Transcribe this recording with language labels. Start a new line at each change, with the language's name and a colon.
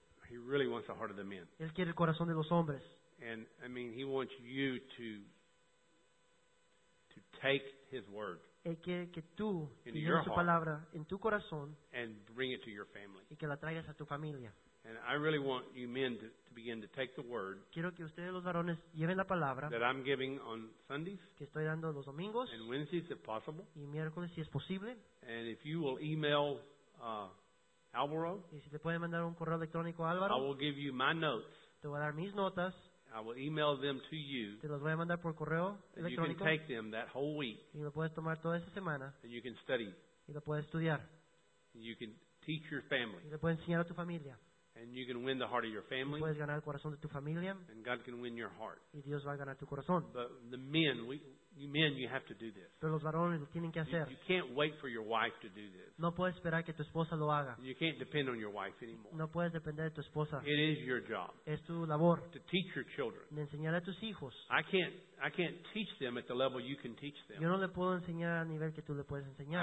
English: He really wants the heart of the man.
Spanish: Él quiere el corazón de los hombres.
English: And I mean, he wants you to take his word.
Spanish: Él quiere que tú tengas su palabra en tu corazón.
English: And bring it to your family.
Spanish: Y que la traigas a tu familia.
English: And I really want you men to begin to take the word
Spanish: quiero que ustedes, los varones, lleven la palabra
English: that I'm giving on Sundays
Spanish: que estoy dando los domingos
English: and Wednesdays if possible.
Spanish: Y miércoles, si es posible.
English: And if you will email Alvaro,
Spanish: y si te pueden mandar un correo electrónico, Álvaro,
English: I will give you my notes.
Spanish: Te voy a dar mis notas.
English: I will email them to you.
Spanish: Te los voy a mandar por correo electrónico.
English: You can take them that whole week.
Spanish: Y lo puedes tomar toda esa semana.
English: And you can study.
Spanish: Y lo puedes estudiar.
English: You can teach your family.
Spanish: Y le puedes enseñar a tu familia.
English: And you can win the heart of your family.
Spanish: Puedes ganar el corazón de tu familia.
English: And God can win your heart.
Spanish: Y Dios va a ganar tu corazón.
English: But the men, you have to do this.
Spanish: Pero los varones lo tienen que hacer.
English: You can't wait for your wife to do this.
Spanish: No puedes esperar que tu esposa lo haga.
English: You can't depend on your wife anymore.
Spanish: No puedes depender de tu esposa.
English: It is your job.
Spanish: Es tu labor.
English: To teach your children.
Spanish: De enseñar a tus hijos.
English: I can't teach them at the level you can teach them.
Spanish: Yo no le puedo enseñar al nivel que tú le puedes enseñar.